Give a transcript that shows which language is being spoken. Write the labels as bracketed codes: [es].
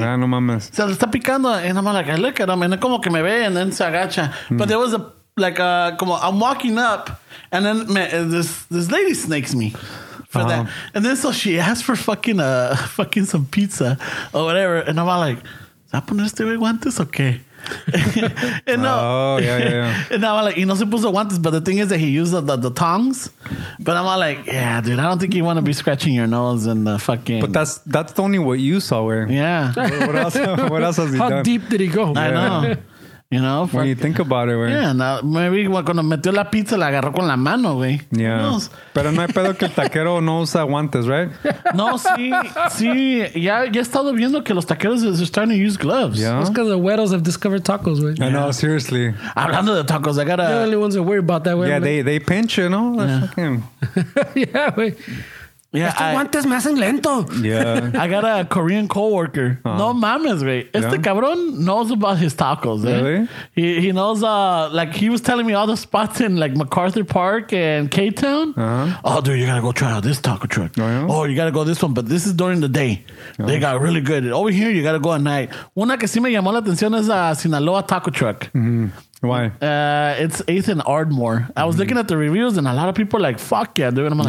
[es] Ah, no mames. Se lo está picando. [en] And I'm like, look at him. [es] And como que me ve and then se agacha. [en] But there was a, like, como I'm walking up and then this lady snakes me. For that. And then so she asked for fucking some pizza or whatever. And I'm like... [es] ¿Se va a poner este güey guantes o qué? [en] And I'm like, [es] y no se puso guantes, [en] but the thing is that he used the tongs. But I'm like, yeah, dude, I don't think you want to be scratching your nose and the fucking... But that's only what you saw, where... Yeah. What else has he How done? How deep did he go? Yeah. I know. You know? When you think about it, güey. Yeah, now, maybe [es] cuando metió la pizza, la agarró con la mano, güey. Yeah. Pero no hay pedo que el taquero no usa guantes, right? No, sí. Ya he estado viendo que los taqueros [en] are starting to use gloves. Yeah. It's because the güeros have discovered tacos, güey. I know, seriously. Hablando de tacos, I gotta... The only ones that worry about that, güey. Yeah, they pinch, you know? Yeah, güey. Yeah, [es] estos guantes me hacen lento. [en] Yeah. I got a Korean coworker. Uh-huh. [es] No mames, güey. Este cabrón [en] knows about his tacos, eh? Really? He knows, like, he was telling me all the spots in, like, MacArthur Park and K-Town. Uh-huh. Oh, dude, you gotta go try out this taco truck. Oh, you gotta go this one, but this is during the day. Uh-huh. They got really good. Over here, you gotta go at night. [es] Una que sí me llamó la atención es a Sinaloa Taco Truck. [en] Mm-hmm. Why? It's 8th and Ardmore. Mm-hmm. I was looking at the reviews, and a lot of people are like, fuck yeah, dude. And I'm like...